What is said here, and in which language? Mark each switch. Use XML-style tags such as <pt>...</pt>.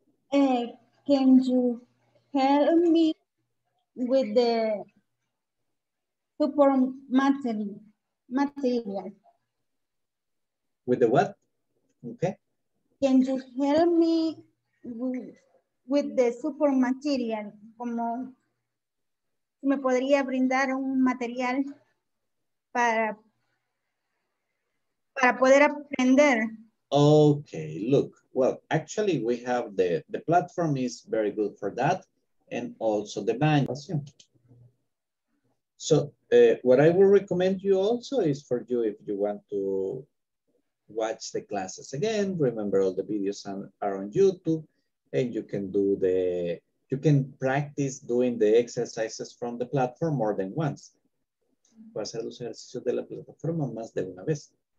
<en>Can you help me with the support material? With the what? Okay. Can you help me with the support material?</en> <es>Como me podría brindar un material para poder aprender.</es> <en>Okay, look. Well, actually we have the platform is very good for that. And also the manual. So what I will recommend you also is for you, if you want to watch the classes again, remember all the videos are on YouTube, and you can do the, you can practice doing the exercises from the platform more than once.</en> <es>¿Puedo hacer los ejercicios de la plataforma más de una vez?</es>